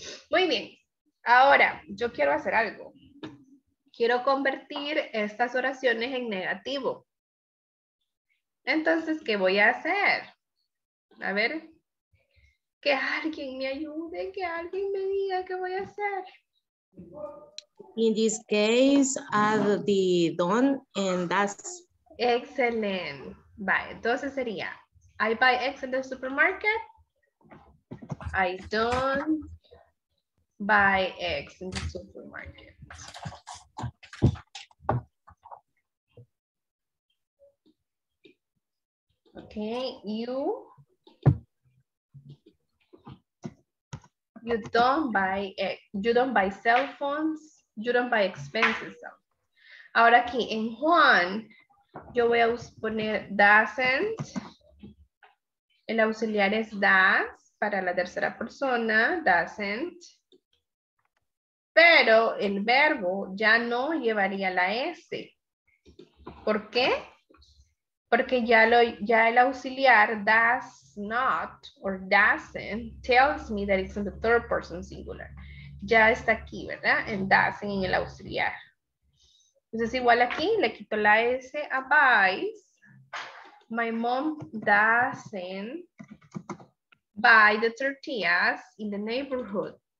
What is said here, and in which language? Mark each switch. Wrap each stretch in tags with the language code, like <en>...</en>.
<es>Muy bien, ahora yo quiero hacer algo. Quiero convertir estas oraciones en negativo. Entonces, ¿qué voy a hacer? A ver, que alguien me ayude, que alguien me diga qué voy a hacer.</es> <en>In this case, add the don't and that's. Excellent. Bye.</en> <es>Entonces sería,</es> <en>I buy eggs in the supermarket. I don't buy eggs in the supermarket. Okay, you don't buy cell phones. You don't buy expenses. So.</en> <es>Ahora aquí en Juan, yo voy a poner doesn't. El auxiliar es does para la tercera persona, doesn't. Pero el verbo ya no llevaría la S. ¿Por qué? Porque ya el auxiliar</es> <en>does not or doesn't tells me that it's in the third person singular.</en> <es>Ya está aquí, ¿verdad? En das, en el auxiliar. Entonces, igual aquí, le quito la S a buys.</es> <en>My mom doesn't buy the tortillas in the neighborhood.</en>